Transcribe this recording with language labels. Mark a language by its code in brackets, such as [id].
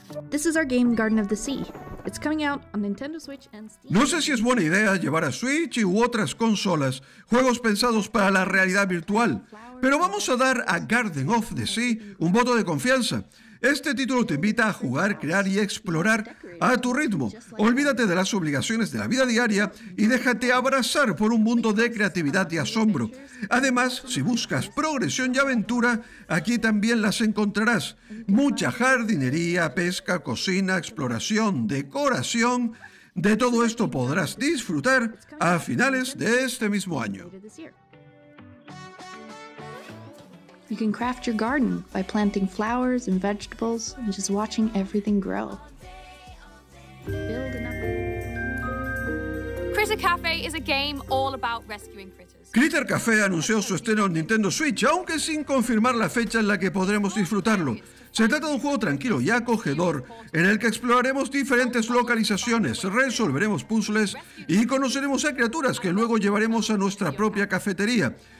[en] This is our game Garden of the Sea. It's coming out on Nintendo Switch and Steam. [es] No sé si es buena idea llevar a Switch u otras consolas juegos pensados para la realidad virtual, pero vamos a dar a Garden of the Sea un voto de confianza. Este título te invita a jugar, crear y explorar a tu ritmo. Olvídate de las obligaciones de la vida diaria y déjate abrazar por un mundo de creatividad y asombro. Además, si buscas progresión y aventura, aquí también las encontrarás. Mucha jardinería, pesca, cocina, exploración, decoración. De todo esto podrás disfrutar a finales de este mismo año. [en] You can craft your garden by planting flowers and vegetables and just watching everything grow. Critter Cafe is a game all about rescuing critters. [es] Critter Cafe anunció su estreno en Nintendo Switch, aunque sin confirmar la fecha en la que podremos disfrutarlo. Se trata de un juego tranquilo y acogedor en el que exploraremos diferentes localizaciones, resolveremos puzzles y conoceremos a criaturas que luego llevaremos a nuestra propia cafetería.